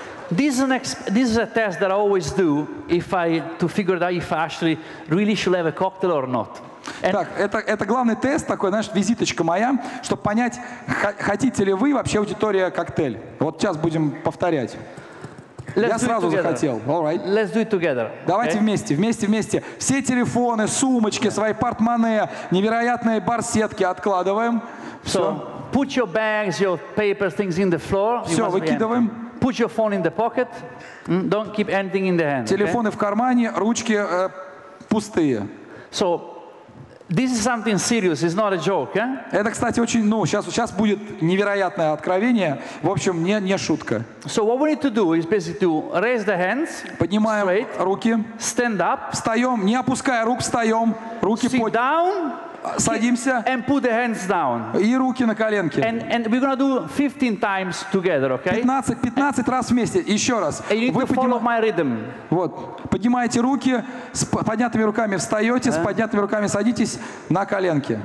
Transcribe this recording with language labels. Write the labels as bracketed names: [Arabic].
[English] This is a test that I always do to figure out if I actually really should have a cocktail or not. [Russian] And так, это главный тест такой, знаешь, визиточка моя, чтобы понять, хотите ли вы вообще аудитория коктейль. Вот сейчас будем повторять. [English] Let's [Russian] Я сразу захотел. [English] All right. Let's do it together. Okay? [Russian] Давайте вместе. Все телефоны, сумочки, свои портмоне, невероятные барсетки откладываем. Все. [English] So put your bags, your papers, things in the floor. [Russian] Все, выкидываем. [English] Put your phone in the pocket. Don't keep anything in the hand. [Russian] Телефоны в кармане, ручки пустые. [English] So this is something serious. It's not a joke. [Russian] Это, кстати, очень, ну, сейчас будет невероятное откровение. В общем, не шутка. [English] So what we need to do is basically to raise the hands. [Russian] Поднимаем [English] straight, [Russian] руки. [English] Stand up. [Russian] Встаем, не опуская рук, встаем. Руки [English] sit down. [Russian] Садимся. [English] And put the hands down. [Russian] И руки на коленки. [English] And we're gonna do 15 times together, okay? [Russian] 15 раз вместе. Еще раз. [English] And you need to follow my rhythm. [Russian] Вот. Поднимаете руки, с поднятыми руками встаете, с поднятыми руками садитесь на коленки.